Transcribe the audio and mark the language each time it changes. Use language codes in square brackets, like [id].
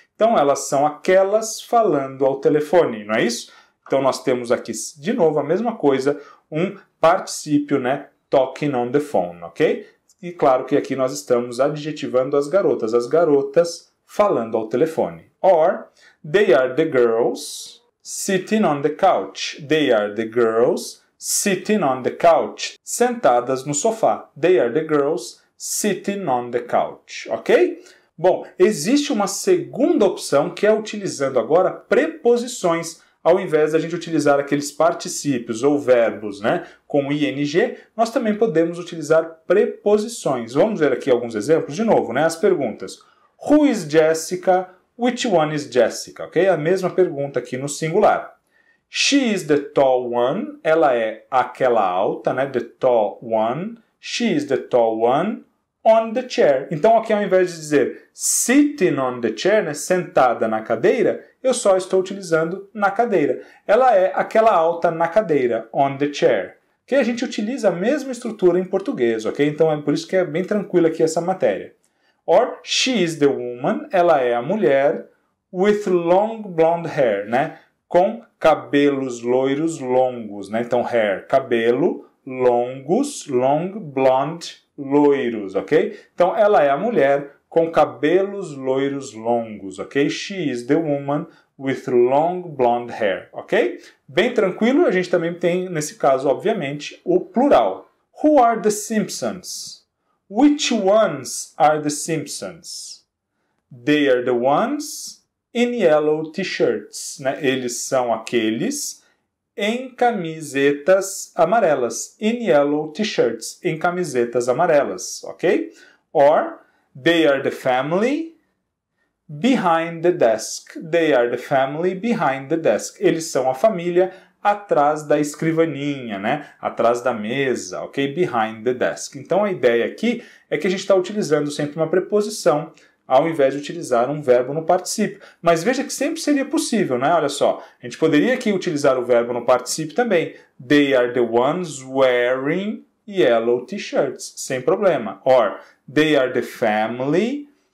[pt] Então, elas são aquelas falando ao telefone, não é isso? Então, nós temos aqui, de novo, a mesma coisa, um particípio, né, [en] talking on the phone, [pt] ok? E claro que aqui nós estamos adjetivando as garotas falando ao telefone. [en] Or, they are the girls... sitting on the couch. They are the girls sitting on the couch. [pt] Sentadas no sofá. [en] They are the girls sitting on the couch. Ok? [pt] Bom, existe uma segunda opção que é utilizando agora preposições ao invés de a gente utilizar aqueles particípios ou verbos, né? Com ing, nós também podemos utilizar preposições. Vamos ver aqui alguns exemplos de novo, né? As perguntas. [en] Who is Jessica? Which one is Jessica? Ok? [pt] A mesma pergunta aqui no singular. [en] She is the tall one. [pt] Ela é aquela alta, né? [en] The tall one. She is the tall one on the chair. [pt] Então, aqui ao invés de dizer [en] sitting on the chair, [pt] né? Sentada na cadeira, eu só estou utilizando na cadeira. Ela é aquela alta na cadeira, [en] on the chair. [pt] Que a gente utiliza a mesma estrutura em português, ok? Então, é por isso que é bem tranquilo aqui essa matéria. [en] Or, she is the woman, [pt] ela é a mulher, [en] with long blonde hair, né? [pt] Com cabelos loiros longos, né? Então, hair, cabelo, longos, [en] long blonde, [pt] loiros, ok? Então, ela é a mulher com cabelos loiros longos, ok? [en] She is the woman with long blonde hair, ok? [pt] Bem tranquilo, a gente também tem, nesse caso, obviamente, o plural. [en] Who are the Simpsons? Which ones are the Simpsons? They are the ones in yellow t-shirts. [pt] Né? Eles são aqueles em camisetas amarelas. [en] In yellow t-shirts. [pt] Em camisetas amarelas. Ok? [en] Or, they are the family behind the desk. They are the family behind the desk. [pt] Eles são a família atrás da escrivaninha, né? Atrás da mesa, ok? [en] Behind the desk. [pt] Então, a ideia aqui é que a gente está utilizando sempre uma preposição ao invés de utilizar um verbo no particípio. Mas veja que sempre seria possível, né? Olha só, a gente poderia aqui utilizar o verbo no particípio também. [en] They are the ones wearing yellow t-shirts. [pt] Sem problema. [en] Or, they are the family